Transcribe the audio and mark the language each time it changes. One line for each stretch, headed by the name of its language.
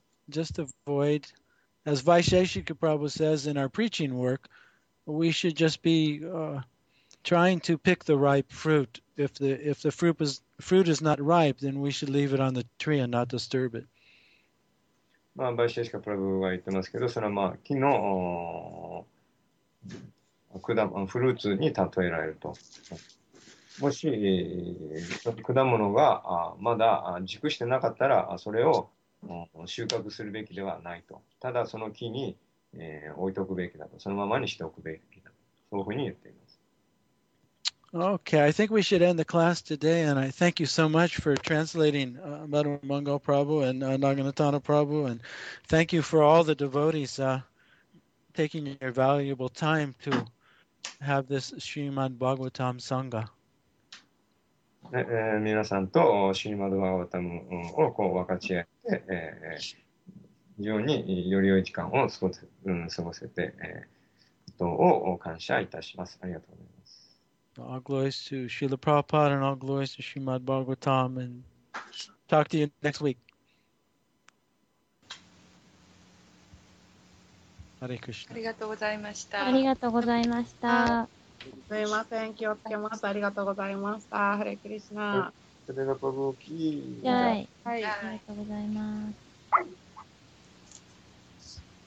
English: As Vaisheshika Prabhupada says in our preaching work, we should just be trying to pick the ripe fruit. If the fruit is not ripe, then we should leave it on the tree and not disturb it.
Japanese: まあ、Vaisheshika Prabhupada が言ってますけど、それはまあ、木の果物、フルーツに例えられると。もし、果物がまだ熟してなかったら、それを収穫するべきではないと。ただその木に、置いておくべきだと。そのままにしておくべきだと。そういうふうに言っています。
English: Okay, I think we should end the class today, and I thank you so much for translating Madhumango Prabhu and Naganatana Prabhu, and thank you for all the devotees taking your valuable time to have this Srimad Bhagavatam Sangha.
Japanese: 皆さんとシリマドバガバタムをこう分かち合って、非常により良い時間を過ごせて、ことを感謝いたします。ありがとうございます。
English: All glories to Srila Prabhupada and all glories to Srimad Bhagavatam and talk to you next week. Hare Krishna.
Japanese: ありがとうございました。ありがとうございました。すいません、気をつけます。ありがとうございました。ハレクリシナ。それがパブキー。はい。はい。ありがとうございます。